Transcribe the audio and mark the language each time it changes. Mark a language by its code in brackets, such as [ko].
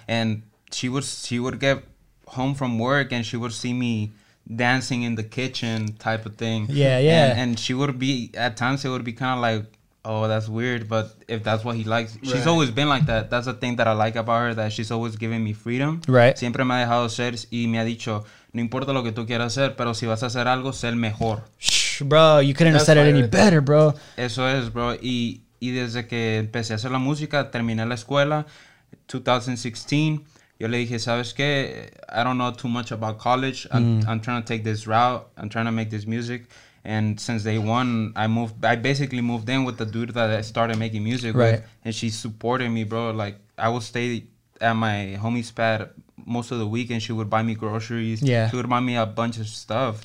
[en] And she would get home from work and she would see me dancing in the kitchen type of thing. Yeah, yeah. And she would be, at times it would be kind of like, oh, that's weird. But if that's what he likes, right. She's always been like that. That's the thing that I like about her, that she's always giving me freedom. Right. [es] Siempre me ha dejado ser y me ha dicho, no importa lo que tú quieras hacer, pero si vas a hacer algo, sé el mejor. [en] Bro, you couldn't have said it any better, bro. [es] Eso es, bro. Y desde que empecé a hacer la música, terminé la escuela, 2016, yo le dije, ¿sabes qué? [en] I don't know too much about college. I'm trying to take this route. I'm trying to make this music. And since day one, I basically moved in with the dude that I started making music right. with. And she supported me, bro. Like, I would stay at my homie's pad most of the week and she would buy me groceries. Yeah. She would buy me a bunch of stuff.